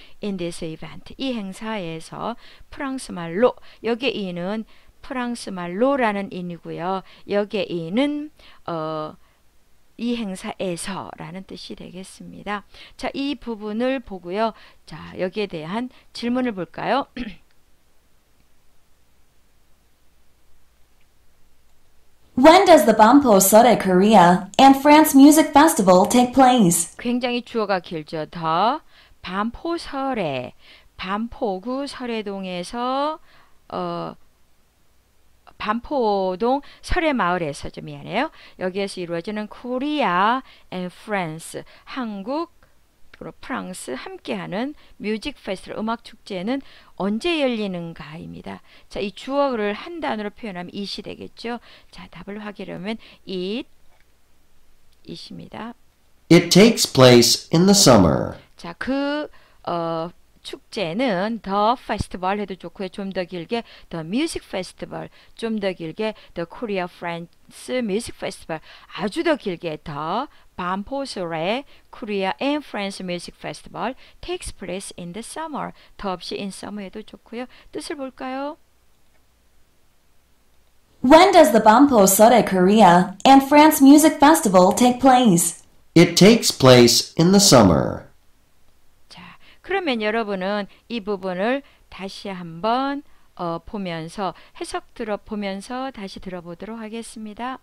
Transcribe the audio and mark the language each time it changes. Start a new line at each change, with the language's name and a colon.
English: In this event,
Korean: 이 행사에서 프랑스 말로, 여기에 이는 프랑스 말로라는 인이고요. 여기에 이는 이 행사에서라는 뜻이 되겠습니다. 자, 이 부분을 보고요. 자, 여기에 대한 질문을 볼까요?
English: When does the Banpo Sore Korea and France Music Festival take place?
Korean: 굉장히 주어가 길죠. The Banpo Sore, 반포구 설해동에서 반포동 설의 마을에서 좀 미안해요. 여기에서 이루어지는 Korea and France, 한국 그리고 프랑스 함께하는 뮤직 페스티벌 음악 축제는 언제 열리는가입니다. 자, 이 주어를 한 단어로 표현하면 it이 되겠죠. 자, 답을 확인하면 it입니다.
English: It takes place in the summer.
Korean: 자, 그 축제는 the festival 해도 좋고요. 좀 더 길게
English: the music festival, 좀 더 길게 the Korea France music festival,
Korean: 아주 더 길게
English: the Banpo Sore Korea and France music festival takes place in the summer.
Korean: 더 없이 in summer 해도 좋고요. 뜻을 볼까요?
English: When does the Banpo Sore Korea and France music festival take place? It takes place in the summer.
Korean: 그러면 여러분은 이 부분을 다시 한번 보면서 해석 들어보면서 다시 들어보도록 하겠습니다.